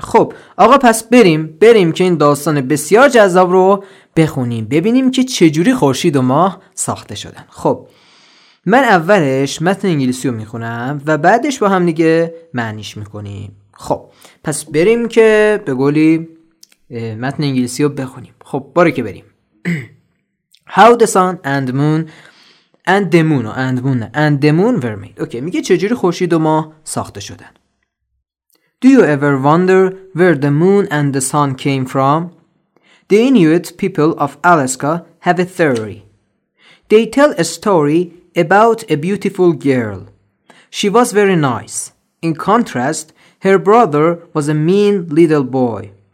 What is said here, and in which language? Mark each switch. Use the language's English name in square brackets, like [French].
[Persian] خب آقا پس بریم که این داستان بسیار جذاب رو بخونیم، ببینیم که چجوری خورشید و ماه ساخته شدن. خب من اولش متن انگلیسی رو میخونم و بعدش با هم دیگه معنیش میکنیم. خب پس بریم که به قولی متن انگلیسی رو بخونیم. خب باره که بریم. [English] How the sun and moon and the moon and moon and the moon were made. [Persian] اوکی، میگه چجوری خورشید و ماه ساخته شدن. [English] Do you ever wonder where the moon and the sun came from? The Inuit people of Alaska have a theory. They tell a story about a beautiful girl. She was very nice. In contrast, her brother was a mean little boy.